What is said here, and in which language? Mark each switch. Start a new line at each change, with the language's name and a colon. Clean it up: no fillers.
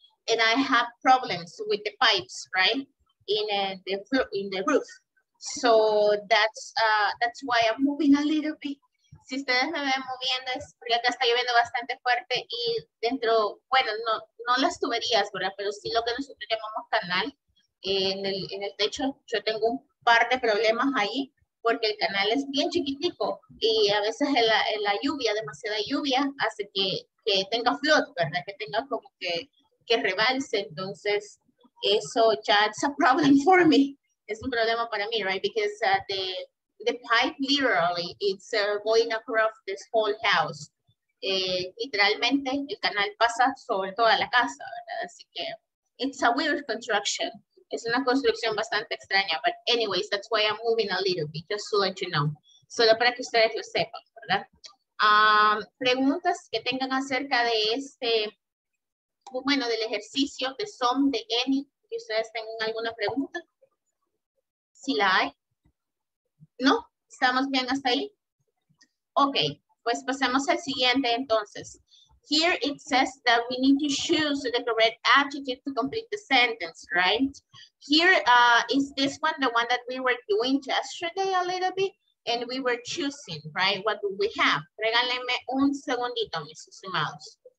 English: And I have problems with the pipes, right? In the roof, so that's why I'm moving a little bit.
Spanish: Si ustedes me ven moviendo es porque acá está lloviendo bastante fuerte y dentro, bueno, no las tuberías, ¿verdad? Pero sí lo que nosotros llamamos canal en el techo. Yo tengo un par de problemas ahí porque el canal es bien chiquitico y a veces la lluvia, demasiada lluvia, hace que tenga flood, ¿verdad? Que tenga como que rebalse, entonces. Eso ya es un problema para mí. Es un problema para mí, right?
English: Because the pipe literally it's going across this whole house.
Spanish: Literalmente el canal pasa sobre toda la casa, ¿verdad? Así que it's a weird construction. Es una construcción bastante extraña.
English: But anyways, that's why I'm moving a little bit just to let you know.
Spanish: Solo para que ustedes lo sepan, ¿verdad? Preguntas que tengan acerca de este. Bueno, del ejercicio de SOM, de ENI, que ustedes tengan alguna pregunta. Si la hay. ¿No? ¿Estamos bien hasta ahí? Ok, pues pasemos al siguiente entonces.
English: Here it says that we need to choose the correct adjective to complete the sentence, right? Here is this one, the one that we were doing yesterday a little bit, and we were choosing, right? What do we have?
Spanish: Regálenme un segundito, Mrs. Mouse.